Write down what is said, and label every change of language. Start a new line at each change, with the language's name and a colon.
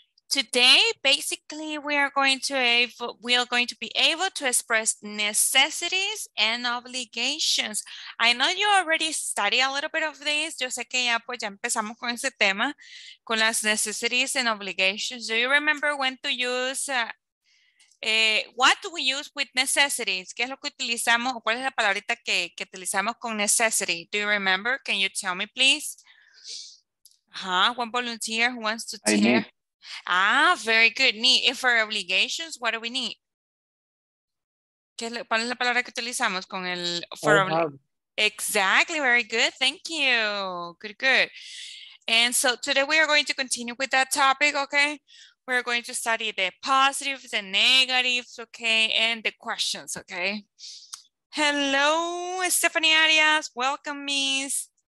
English: Today, basically, we are going to be able to express necessities and obligations. I know you already study a little bit of this.
Spanish: Yo sé que ya, pues, ya empezamos con ese tema, con las
English: necessities and obligations. Do you remember when to use, what do we use with necessities?
Spanish: ¿Qué es lo que utilizamos? ¿Cuál es la palabrita que utilizamos con necessity?
English: Do you remember? Can you tell me, please? Uh-huh. One volunteer who wants to tell. Ah, very good. Need. If our obligations, what do we need?
Spanish: ¿Qué, cuál es la palabra que utilizamos con el for
English: exactly, very good. Thank you. Good, good. And so today we are going to continue with that topic, okay? We're going to study the positives and negatives, okay? And the questions, okay? Hello, Stephanie Arias. Welcome, Miss.